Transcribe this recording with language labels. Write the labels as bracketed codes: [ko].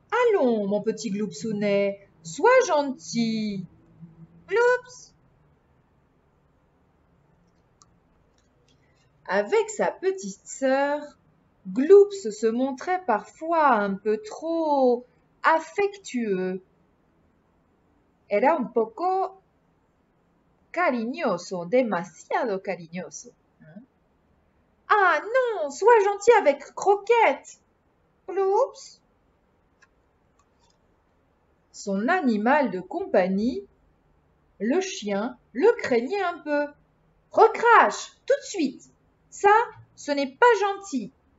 [fr] Allons, mon petit Gloopsounet, sois gentil. Gloops. Avec sa petite sœur, Gloops se montrait parfois un peu trop affectueux. [es] Era un poco cariñoso, demasiado cariñoso. [fr] Ah non, sois gentil avec Croquette. Gloops. Son animal de compagnie, le chien, le craignait un peu. Recrache, tout de suite. Ça, ce n'est pas gentil.